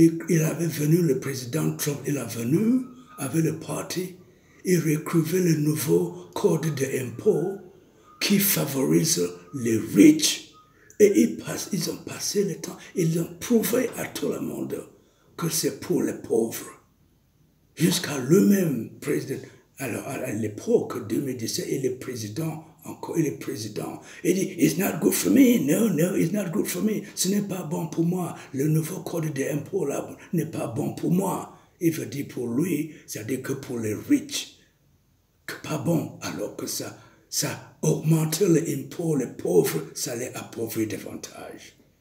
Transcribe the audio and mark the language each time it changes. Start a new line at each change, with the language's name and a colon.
French: Il avait venu, le président Trump, il a venu avec le parti, il recrutait le nouveau code d'impôt qui favorise les riches. Et ils ont passé le temps, ils ont prouvé à tout le monde que c'est pour les pauvres. Jusqu'à lui-même, président, alors à l'époque, 2017, il est président encore, il est président. Il dit,
English: it's not good for me, no, it's not good for me.
French: Ce n'est pas bon pour moi, le nouveau code d'impôt là n'est pas bon pour moi. Il veut dire pour lui, c'est-à-dire que pour les riches, que pas bon, alors que ça augmente les impôts, les pauvres, ça les appauvrit davantage.